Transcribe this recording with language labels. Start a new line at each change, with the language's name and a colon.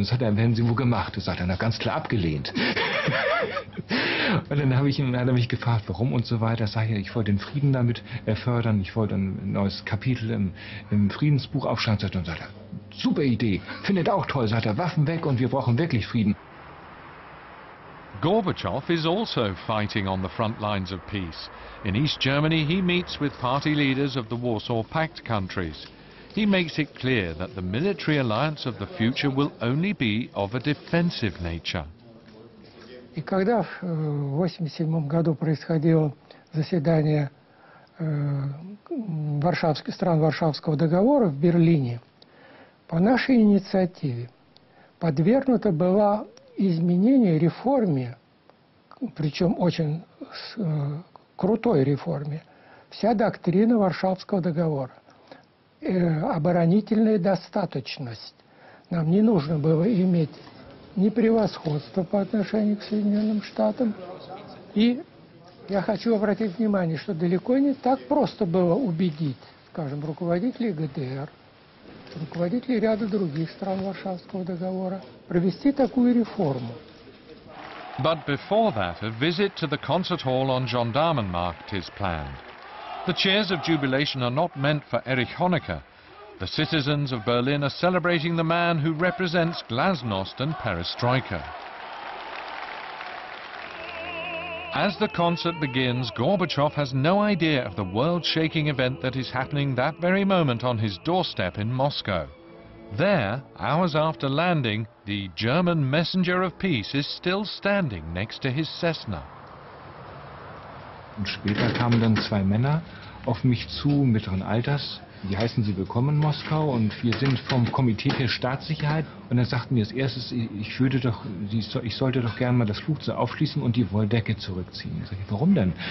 German: Das hat er, werden Sie wo gemacht? Das sagt er, na, ganz klar abgelehnt. Und dann habe ich ihn, hat er mich gefragt, warum und so weiter. Sag er, ich wollte den Frieden damit fördern, ich wollte ein neues Kapitel im Friedensbuch aufschreiben. Sag er, und sagt er, super Idee, findet auch toll. Sagt er, Waffen weg und wir brauchen wirklich Frieden.
English: Gorbachev is also fighting on the front lines of peace. In East Germany, he meets with party leaders of the Warsaw Pact countries. He makes it clear that the military alliance of the future will only be of a defensive nature.
Russian: И когда в 87 году происходило заседание стран Варшавского договора в Берлине, по нашей инициативе подвергнута была изменение реформе, причем очень крутой реформе, вся доктрина Варшавского договора. Оборонительная достаточность. Нам не нужно было иметь ни превосходства по отношению к Соединенным Штатам. И я хочу обратить внимание, что далеко не так просто было убедить, скажем, руководителей ГДР, руководителей ряда других стран Варшавского договора, провести такую реформу.
English: But before that, a visit to the concert hall on Gendarmenmarkt is planned. The cheers of jubilation are not meant for Erich Honecker. The citizens of Berlin are celebrating the man who represents Glasnost and Perestroika. As the concert begins, Gorbachev has no idea of the world-shaking event that is happening that very moment on his doorstep in Moscow. There, hours after landing, the German messenger of peace is still standing next to his Cessna.
German: Und später kamen dann 2 Männer auf mich zu, mittleren Alters, Wir heißen Sie willkommen in Moskau und wir sind vom Komitee für Staatssicherheit. Und dann sagten wir als erstes, ich sollte doch gerne mal das Flugzeug aufschließen und die Wolldecke zurückziehen. Sag ich, warum denn?